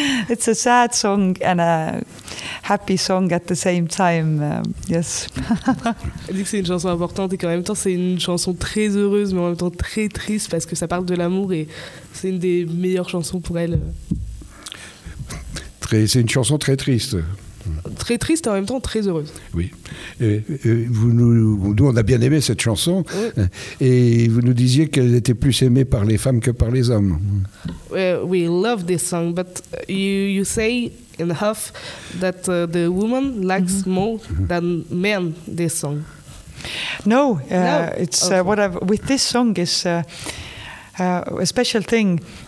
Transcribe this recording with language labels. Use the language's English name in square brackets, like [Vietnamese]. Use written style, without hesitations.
[English] It's a sad song and a happy song at the same time. Yes. [French] Elle dit que c'est une chanson importante et qu'en même temps, c'est une chanson très heureuse, mais en même temps très triste parce que ça parle de l'amour et c'est une des meilleures chansons pour elle. C'est une chanson très triste. Très triste et en même temps très heureuse. Oui. Nous, on a bien aimé cette chanson. Oui. Et vous nous disiez qu'elle était plus aimée par les femmes que par les hommes. [English] We love this song, but you say in half that the woman likes mm-hmm. more than men this song. No, it's okay. What I've, with this song is a special thing.